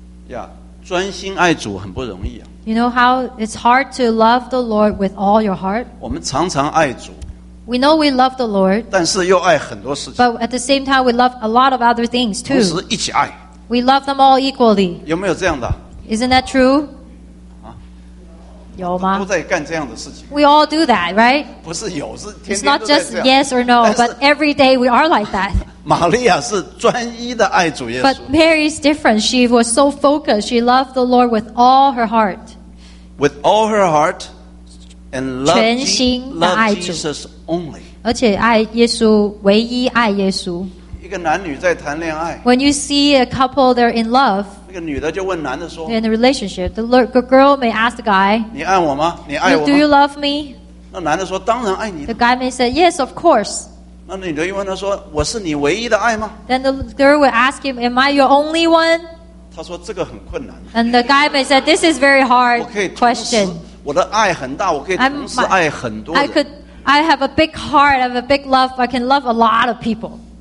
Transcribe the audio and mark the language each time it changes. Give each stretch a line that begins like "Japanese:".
Chinese: Yeah, 专心爱主很不容易啊。
English: You know how it's hard to love the Lord with all your heart?
Chinese: 我们常常爱主。
English: We know we love the Lord.
Chinese: 但是又爱很多事情。
English: But at the same time, we love a lot of other things too.
Chinese: 同时一起爱。
English: We love them all equally.
Chinese: 有没有这样的？
English: Isn't that true?
Chinese: 有吗？都在干这样的事情。
English: We all do that, right?
Chinese: 不是有，是天天都在这样。
English: It's not just yes or no, but every day we are like that.
Chinese: 玛利亚是专一的爱主耶稣。
English: But Mary's different. She was so focused. She loved the Lord with all her heart. With all her heart and loved Jesus only.
Chinese: 而且爱耶稣，唯一爱耶稣。一个男女在谈恋爱。
English: When you see a couple, they're in love.
Chinese: 那个女的就问男的说
English: In the relationship, the girl may ask the guy,
Chinese: 你爱我吗？你爱我吗？
English: Do you love me?
Chinese: 那男的说当然爱你。
English: The guy may say, yes, of course.
Chinese: 那女的又问他说我是你唯一的爱吗？
English: Then the girl will ask him, am I your only one?
Chinese: 他说这个很困难。
English: And the guy may say, this is very hard question.
Chinese: 我的爱很大，我可以同时爱很多人。
English: I have a big heart, I have a big love, I can love a lot of people.